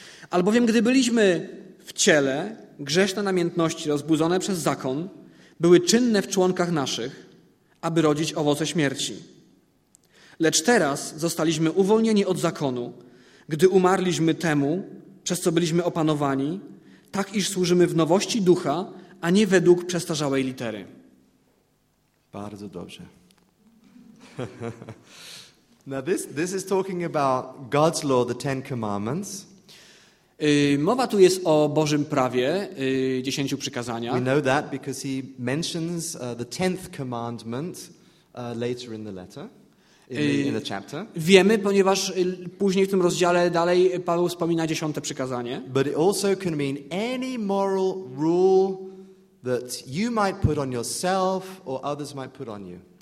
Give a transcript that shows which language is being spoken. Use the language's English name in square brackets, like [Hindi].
[Polish] Albowiem gdy byliśmy w ciele, grzeszne namiętności rozbudzone przez zakon były czynne w członkach naszych, aby rodzić owoce śmierci. Lecz teraz zostaliśmy uwolnieni od zakonu, gdy umarliśmy temu, przez co byliśmy opanowani, tak iż służymy w nowości ducha, a nie według przestarzałej litery. Bardzo dobrze. [English] Now this is talking about God's law, the Ten Commandments. [Polish] Mowa tu jest o Bożym prawie, dziesięciu przykazaniach. [English] We know that because he mentions the tenth commandment later in the letter. In the chapter. [Polish] Wiemy, ponieważ później w tym rozdziale dalej Paweł wspomina dziesiąte przykazanie. [English] But it also can mean any moral rule that you might put on yourself or others might put on you.